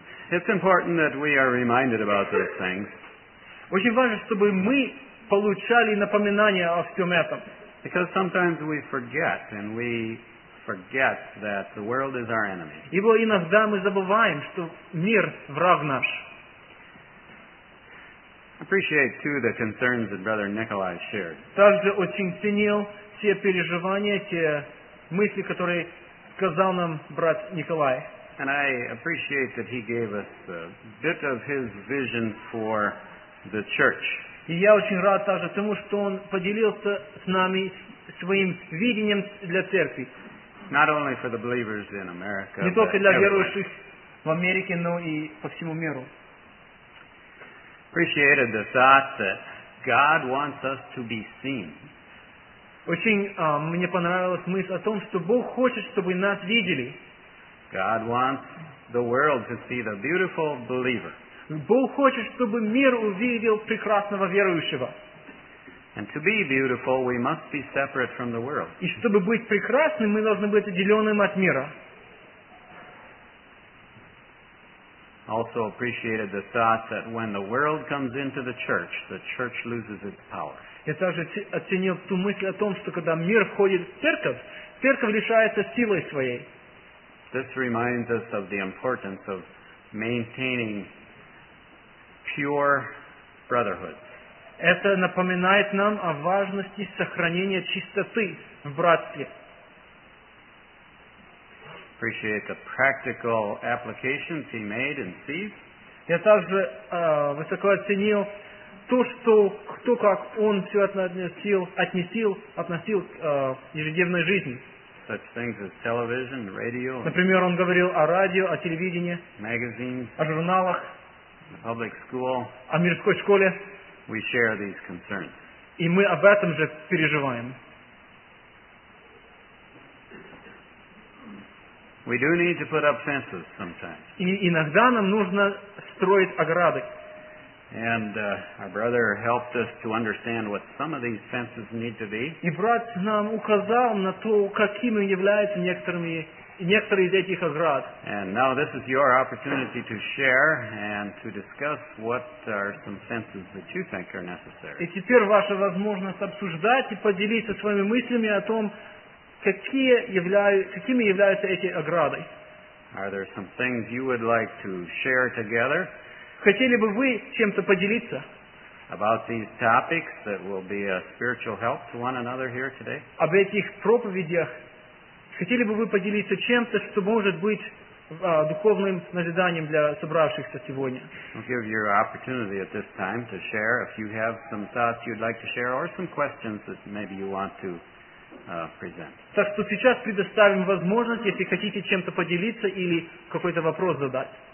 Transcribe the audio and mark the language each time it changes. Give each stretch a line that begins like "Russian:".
English: It's important that we are reminded about those things.
Russian: Очень важно, чтобы мы получали напоминания о всем этом.
English: Because sometimes we forget, and we forget that the world is our enemy.
Russian: Ибо иногда мы забываем, что мир враг наш.
English: Appreciate too the concerns that Brother Nikolai shared.
Russian: Также очень ценил все переживания, те мысли, которые сказал нам брат Николай.
English: And I appreciate that he gave us a bit of his vision for the church.
Russian: И я очень рад также тому, что он поделился с нами своим видением для церкви.
English: Not only for the believers in America,
Russian: не только для верующих в Америке, но и по всему миру.
English: Appreciated the thought that God wants us to be seen.
Russian: Очень мне понравилась мысль о том, что Бог хочет, чтобы нас видели.
English: God wants the world to see the beautiful believer.
Russian: Бог хочет, чтобы мир увидел прекрасного верующего.
English: And to be beautiful, we must be separate from the world.
Russian: И чтобы быть прекрасным, мы должны быть отделенным от мира.
English: Also appreciated the thought that when the world comes into the church loses its power.
Russian: Я также оценил ту мысль о том, что когда мир входит в церковь, церковь лишается силы своей.
English: This reminds us of the importance of maintaining pure brotherhood.
Russian: Это напоминает нам о важности сохранения чистоты в братстве.
English: Appreciate the practical applications he made and sees.
Russian: Я также высоко оценил то, что кто как он все относил к ежедневной жизни.
English: Such things as television, radio.
Russian: Например, он говорил о радио, о телевидении.
English: Magazines.
Russian: О журналах.
English: Public school.
Russian: О мирской школе.
English: We share these concerns.
Russian: И мы об этом же переживаем.
English: We do need to put up fences sometimes.
Russian: И иногда нам нужно строить ограды.
English: And our brother helped us to understand what some of these fences need to be.
Russian: И брат нам указал на то, какими являются некоторые из этих оград.
English: And now this is your opportunity to share and to discuss what are some fences that you think are necessary.
Russian: И теперь ваша возможность обсуждать и поделиться своими мыслями о том, какими являются эти ограды.
English: Are there some things you would like to share together?
Russian: Хотели бы вы чем-то поделиться?
English: About these topics that will be a spiritual help to one another here today?
Russian: Об этих проповедях хотели бы вы поделиться чем-то, что может быть духовным назиданием для собравшихся сегодня?
English: I'll give you an opportunity at this time to share if you have some thoughts you'd like to share or some questions that maybe you want to present.
Russian: Так что сейчас предоставим возможность, если хотите чем-то поделиться или какой-то вопрос задать.